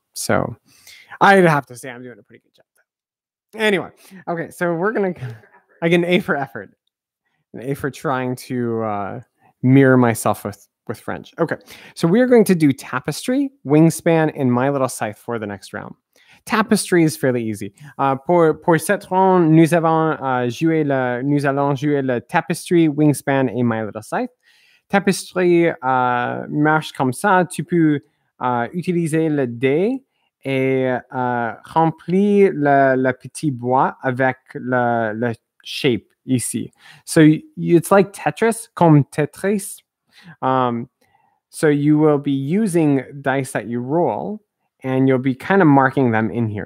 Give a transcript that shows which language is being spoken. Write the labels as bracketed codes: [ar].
[en] So I'd have to say I'm doing a pretty good job. Anyway, okay, so we're going to get an A for effort. An A for trying to mirror myself with French. Okay, so we are going to do tapestry, wingspan, and my little scythe for the next round. Tapestry is fairly easy. [fr] Pour cette ronde, nous allons jouer le tapestry, wingspan, et my little scythe. Tapestry marche comme ça. Tu peux utiliser le dé et remplir le petit bois avec le shape ici. [en] So it's like Tetris, [fr] comme Tetris. [en] So you will be using dice that you roll, and you'll be kind of marking them in here.